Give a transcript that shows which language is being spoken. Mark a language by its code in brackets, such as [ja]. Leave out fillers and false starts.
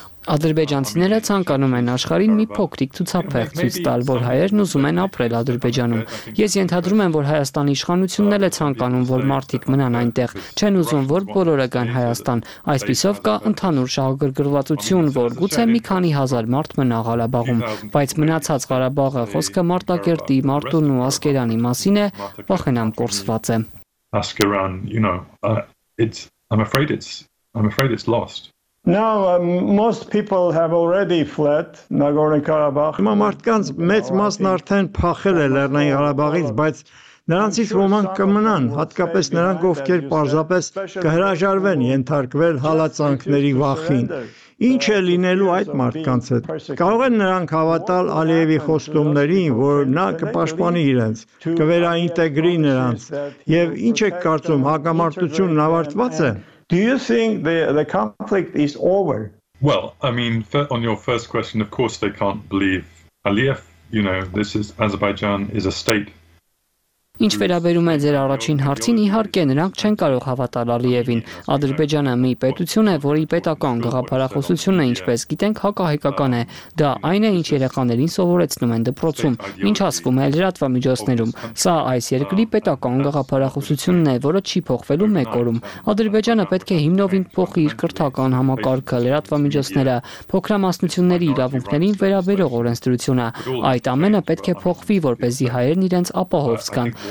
[hy] Ադրբեջանցիները ցանկանում են աշխարհին մի փոքրիկ ցուցափեղ ցույց տալ, որ հայերն ուզում են ապրել Ադրբեջանում։ Ես ենթադրում եմ, որ Հայաստանի իշխանությունն էլ է ցանկանում, որ մարդիկ մնան այնտեղ, չեն ուզում, որ բոլորը գան Հայաստան։ Այսպիսով կա ընդհանուր շահագրգռվածություն, որ գուցե մի քանի հազար մարդ մնա Ղարաբաղում, բայց մնացած Ղարաբաղը, խոսքը Մարտակերտի, Մարտուն ու Ասկերանի մասին է, վախենամ կորսված է։ [en] Ասկերան, you know, I'm afraid it's lost. Now most people have already fled Nagorno-Karabakh. [hy] Հիմա մարդկանց մեծ մասն արդեն փախել է Լեռնային Ղարաբաղից, բայց նրանցից ոմանք կմնան, հատկապես նրանք, ովքեր պարզապես կհրաժարվեն ենթարկվել հալածանքների վախին։ Ինչ է լինելու այդ մարդկանց հետ։ Կարող են նրանք հավատալ Ալիևի խոստումներին, որ նա կպաշտպանի իրենց, կվերաինտեգրի նրանց։ Եվ ինչ եք կարծում, հակամարտությունն ավարտված է։ [en] Do you think the conflict is over? Well, I mean, on your first question, of course they can't believe Aliyev, you know, this is Azerbaijan is a state. [hy] Ինչ վերաբերում է ձեր առաջին հարցին, իհարկե նրանք չեն կարող հավատալ Ալիևին։ Ադրբեջանը մի պետություն է, որի պետական գաղափարախոսությունը, ինչպես գիտենք, հակահայկական է։ Դա այն է, ինչ երեխաներին սովորեցնում են դպրոցում, ինչ ասվում է լրատվամիջոցներում։ Սա այս երկրի պետական գաղափարախոսությունն է, որը չի փոխվելու մեկ օրում։ Ադրբեջանը պետք է հիմնովին փոխի իր կրթական համակարգը, լրատվամիջոցները, փոքրամասնությունների իրավունքներին վերաբերող օրենսդրությունը։ Այդ ամենը պետք է փոխվի, որպեսզի հայերն իրենց ապահով զգան։